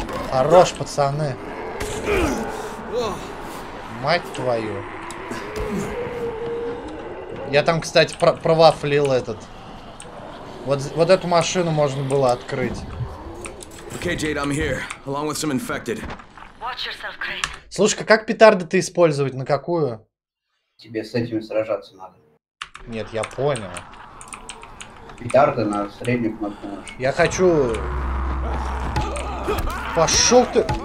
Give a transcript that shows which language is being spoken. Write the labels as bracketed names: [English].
[Russian] Хорош, пацаны. Мать твою. Я там, кстати, провафлил этот. Вот, вот эту машину можно было открыть. [English] Okay, Jade, I'm here, along with some infected. Watch yourself, Crane. [Russian] Слушай-ка, как петарды-то использовать? На какую? Тебе с этими сражаться надо. Нет, я понял. Петарды на среднюю кнопку можешь. Я хочу... Пошел ты!